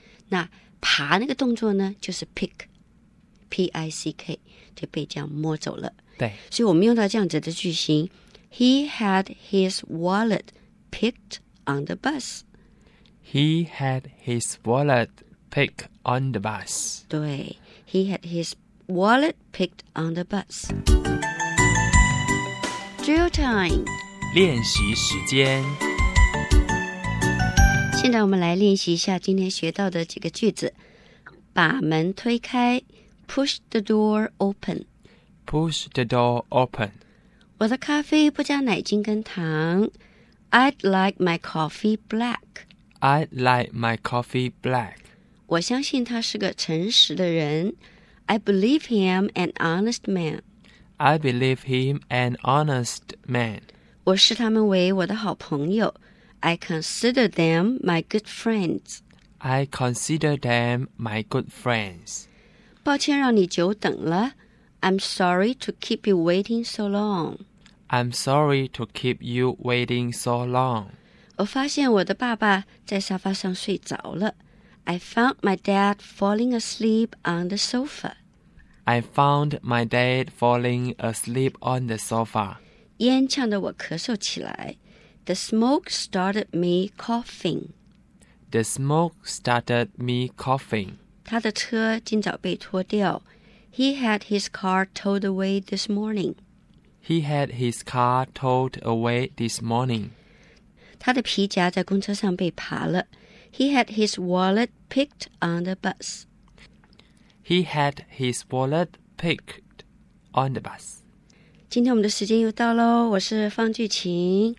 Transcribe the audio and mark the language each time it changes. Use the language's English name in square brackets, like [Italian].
[Chinese] 那扒那个动作呢，就是 pick, P-I-C-K, 就被这样摸走了。对 [English] 所以我们用到这样子的句型 He had his wallet picked on the bus He had his wallet picked on the bus [Chinese] 对 [English] He had his wallet picked on the bus Drill time [Chinese] 练习时间现在我们来练习一下今天学到的几个句子把门推开 [English] Push the door open Push the door open. [Chinese] 我的咖啡不加奶精跟糖。 [English] I'd like my coffee black. I'd like my coffee black. [Chinese] 我相信他是个诚实的人。 [English] I believe him an honest man. I believe him an honest man. [Chinese] 我视他们为我的好朋友。 [English] I consider them my good friends. I consider them my good friends. [Chinese] 抱歉让你久等了。 [English] I'm sorry to keep you waiting so long. I'm sorry to keep you waiting so long. [Chinese] 我发现我的爸爸在沙发上睡着了。 [English] I found my dad falling asleep on the sofa. I found my dad falling asleep on the sofa. [Chinese] 烟呛得我咳嗽起来。 [English] The smoke started me coughing. The smoke started me coughing. [Chinese] 他的车今早被拖掉。 [English] He had his car towed away this morning. He had his car towed away this morning. [Chinese] 他的皮夹在公车上被扒了。 [English] He had his wallet picked on the bus. He had his wallet picked on the bus. [Chinese] 今天我们的时间又到咯，我是方巨琴，